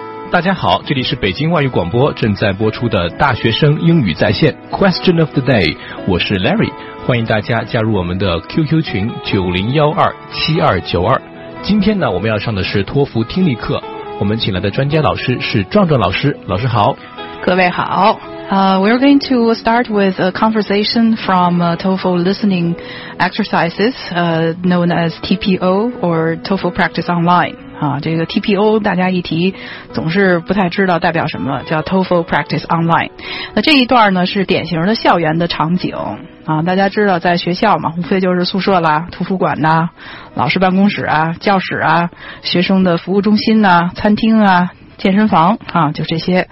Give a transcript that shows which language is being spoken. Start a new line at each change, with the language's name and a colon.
Chinese: 大家好，这里是北京外语广播正在播出的大学生英语在线 Question of the Day， 我是 Larry， 欢迎大家加入我们的 QQ 群90127292。今天呢，我们要上的是托福听力课，我们请来的专家老师是壮壮老师，老师好。各位好。
English: We're going to start with a conversation from TOEFL listening exercises, known as TPO or TOEFL Practice Online.
Chinese: 这个 TPO 大家一提总是不太知道代表什么，叫 TOEFL Practice Online。那这一段呢是典型的校园的场景。大家知道在学校嘛，无非就是宿舍啦、图书馆呐、老师办公室啊、教室啊、学生的服务中心呐、餐厅啊、健身房啊，就这些。